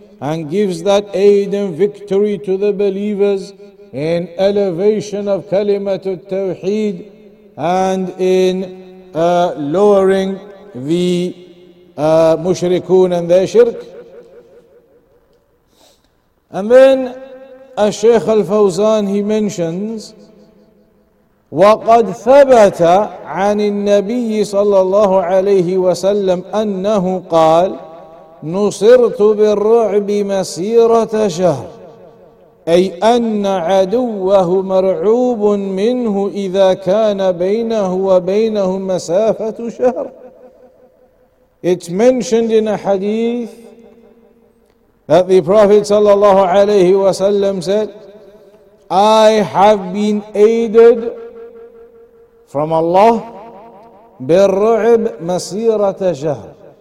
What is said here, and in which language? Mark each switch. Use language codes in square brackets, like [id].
[en] and gives that aid and victory to the believers in elevation of Kalimat al-Tawheed and in lowering the Mushrikun and their shirk. And then Al-Shaykh Al-Fawzan, he mentions, [ar] وَقَدْ ثَبَتَ عَنِ النَّبِيِّ صَلَّى اللَّهُ عَلَيْهِ وَسَلَّمْ أَنَّهُ قَالَ نُصِرْتُ بِالرُّعْبِ مَسِيرَةَ شَهْرٍ أي أن عدوه مرعوب منه إذا كان بينه وبينه مسافة شهر. [en] It's mentioned in a hadith that the Prophet sallallahu alayhi wa sallam said, I have been aided from Allah [ar] بالرعب مسيرة شهر,